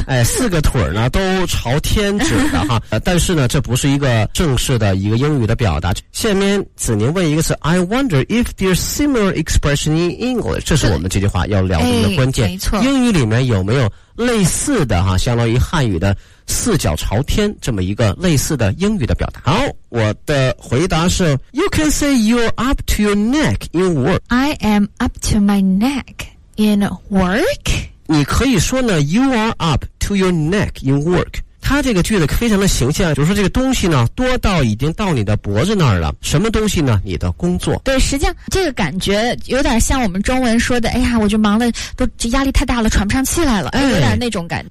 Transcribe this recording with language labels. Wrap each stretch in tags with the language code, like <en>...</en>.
<zh>哎，四个腿呢都朝天指的哈。但是呢，这不是一个正式的一个英语的表达。下面子宁问一个词</zh> <en>，I wonder if there's similar expression in English。</en> <zh>这是我们这句话要聊的一个关键。没错，英语里面有没有类似的哈，相当于汉语的四脚朝天这么一个类似的英语的表达。好，我的回答是</zh> <en>You can say you're up to your neck in work. I am up to my neck in work.</en> <zh>你可以说呢</zh> <en>You are up to your neck in work.</en> <zh>它这个句子非常的形象，就是说这个东西呢多到已经到你的脖子那儿了。什么东西呢？你的工作。对，实际上这个感觉有点像我们中文说的，哎呀我就忙了，都压力太大了，喘不上气来了，有点那种感觉。</zh>